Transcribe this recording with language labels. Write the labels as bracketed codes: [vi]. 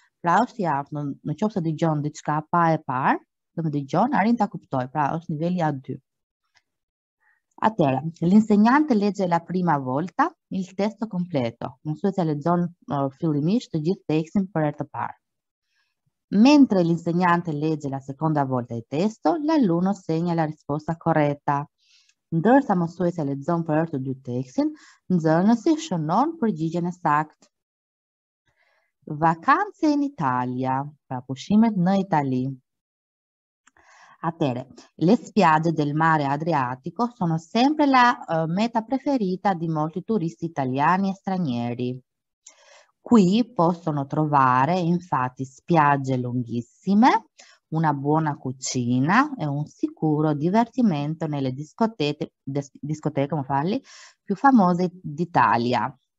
[sq] Pra është i aftë, në qoftë se dëgjon diçka pa e parë, dhe më dëgjon, arrin ta kuptoj, pra është niveli A2. Atëra, l'insegnante legge la prima volta il testo completo, mësuesja lexon fillimisht të gjithë tekstin për herë të parë. [it] Mentre l'insegnante legge la seconda volta il testo, l'alunno segna la risposta corretta. [sq] Ndërsa mësuesja lexon për herë të dytë tekstin, nxënësi shënon përgjigjen e saktë. Vacanze in Italia, pra pushimet në Itali. [it] Atere, le spiagge del mare Adriatico sono sempre la meta preferita di molti turisti italiani e stranieri. Qui possono trovare infatti spiagge lunghissime, una buona cucina e un sicuro divertimento nelle discoteche, come falli, più famose d'Italia.